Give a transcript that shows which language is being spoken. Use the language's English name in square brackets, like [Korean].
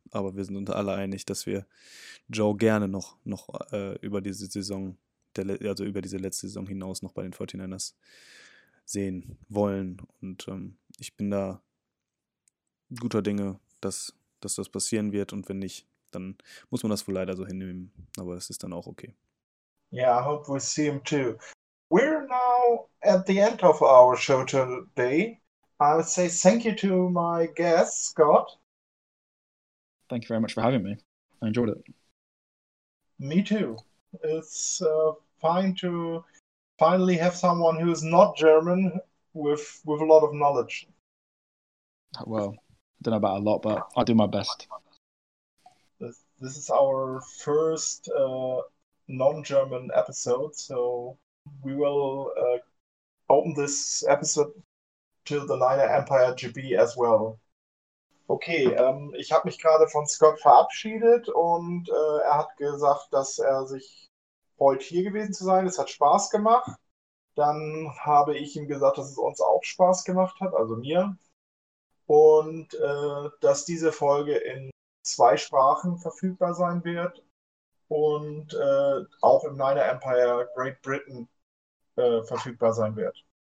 [German] Aber wir sind uns alle einig, dass wir Joe gerne noch über diese Saison, also über diese letzte Saison hinaus noch bei den 49ers sehen wollen. Und ich bin da guter Dinge, dass das passieren wird. Und wenn nicht, dann muss man das wohl leider so hinnehmen. Aber es ist dann auch okay. [English] Yeah, I hope we see him too. We're now at the end of our show today. I'll say thank you to my guest, Scott. Thank you very much for having me. I enjoyed it. Me too. It's fine to finally have someone who is not German with a lot of knowledge. Well, I don't know about a lot, but I do my best. This is our first non-German episode, so we will open this episode to the Niner Empire GB as well. [German] Okay, ich habe mich gerade von Scott verabschiedet und er hat gesagt, dass er sich freut, hier gewesen zu sein. Es hat Spaß gemacht. Dann habe ich ihm gesagt, dass es uns auch Spaß gemacht hat, also mir. Und dass diese Folge in 2 Sprachen verfügbar sein wird und auch im Niner Empire Great Britain verfügbar sein wird.